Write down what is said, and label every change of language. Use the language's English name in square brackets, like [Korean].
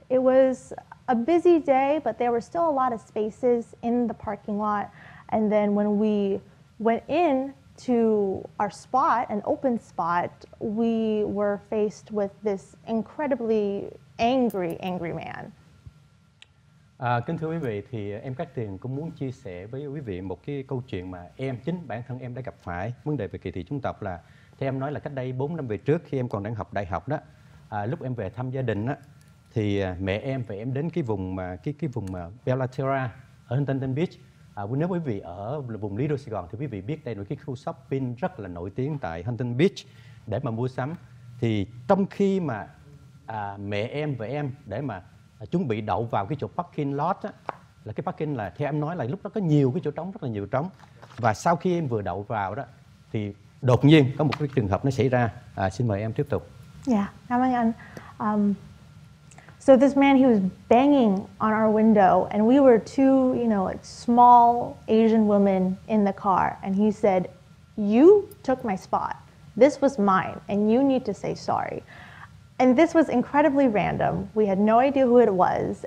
[English] It was a busy day, but there were still a lot of spaces in the parking lot. And then when we went in to our spot, an open spot, we were faced with this incredibly angry man. [Vietnamese] Kính thưa quý vị, thì em Cát Tường cũng muốn chia sẻ với quý vị một cái câu chuyện mà bản thân em đã gặp phải vấn đề về kỳ thị chủng tộc. Là thì em nói là cách đây 4 năm về trước, khi em còn đang học đại học đó, lúc em về thăm gia đình đó, thì mẹ em và em đến cái vùng mà Belaterra ở Huntington Beach. Nếu quý vị ở vùng Little Sài Gòn thì quý vị biết đây là cái khu shopping rất là nổi tiếng tại Huntington Beach để mà mua sắm. Thì trong khi mà mẹ em và em để mà chuẩn bị đậu vào cái chỗ parking lot á, là cái parking là theo em nói là lúc đó có nhiều cái chỗ trống, rất là nhiều trống. Và sau khi em vừa đậu vào đó thì đột nhiên có một cái trường hợp nó xảy ra. Xin mời em tiếp tục. Yeah, cảm ơn anh. [English] So this man, he was banging on our window, and we were two, you know, like small Asian women in the car. And he said, "You took my spot. This was mine, and you need to say sorry." And this was incredibly random. We had no idea who it was.